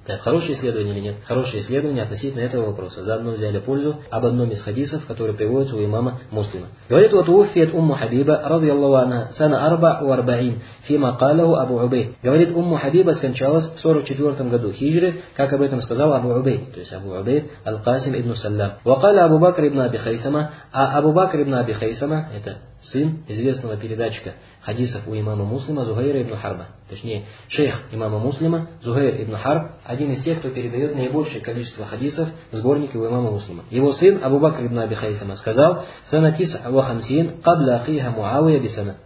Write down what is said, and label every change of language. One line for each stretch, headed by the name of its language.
Russian: Так, хорошее исследование или нет? Хорошее исследование относительно этого вопроса. Заодно взяли пользу об одном из хадисов, который приводится у имама Муслима. Говорит, вот уфиет Умму Хабиба, радиаллаху анха,
Arabic: سنة 44 فيما قاله أبو عبيد.
Russian: говорит أم حبيبة скончалась в 44 году хиджры, как об этом сказал أبو عبيد. то есть
Arabic: أبو عبيد القاسم ابن سلام. وقال أبو بكر ابن أبي خيثمة.
Russian: а أبو بكر ابن أبي خيثمة это сын известного передатчика хадисов у имама Муслима Зухейра ибн Харба. Точнее, шейх имама Муслима Зухейр ибн Харб, один из тех, кто передает наибольшее количество хадисов в сборнике у имама Муслима. Его сын Абу Бакр ибн Аби Хайсама сказал:
Arabic: «Санатис вахамсин кабля ахиха Муавия бисана».